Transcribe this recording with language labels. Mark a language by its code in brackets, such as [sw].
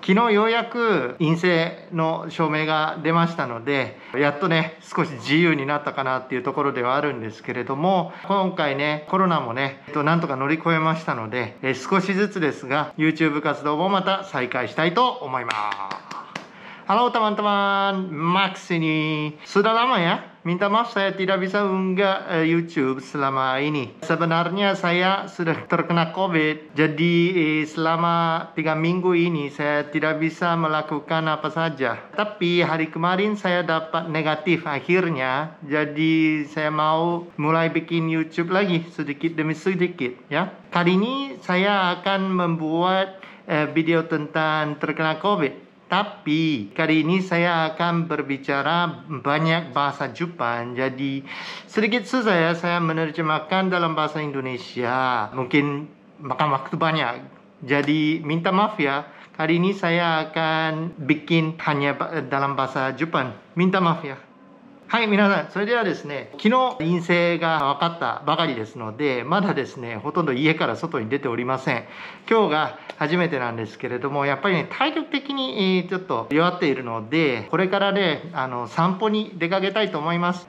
[ja] 昨日ようやく陰性の証明が出ましたので、やっとね、少し自由になったかなっていうところではあるんですけれども、今回ねコロナもね、なんとか乗り越えましたので、少しずつですが YouTube 活動もまた再開したいと思います。 [id] ハロータマンタマン、マックスにスララマやみんなマッサやティラビサウンが YouTube selama ini. Sebenarnya saya sudah terkena COVID. Jadi selama 3 minggu ini saya tidak bisa melakukan apa saja. Tapi hari kemarin saya dapat negatif akhirnya. Jadi saya mau mulai bikin YouTube lagi sedikit demi sedikit ya. Kali ini saya akan membuat video tentang terkena COVID. Tapi kali ini saya akan berbicara banyak bahasa Jepang. Jadi sedikit susah ya saya menerjemahkan dalam bahasa Indonesia. Mungkin makan waktu banyak. Jadi minta maaf ya. Kali ini saya akan bikin hanya dalam bahasa Jepang. Minta maaf ya. [ja] はい、皆さん、それではですね、昨日陰性が分かったばかりですので、まだですねほとんど家から外に出ておりません。今日が初めてなんですけれども、やっぱりね体力的にちょっと弱っているので、これからね散歩に出かけたいと思います。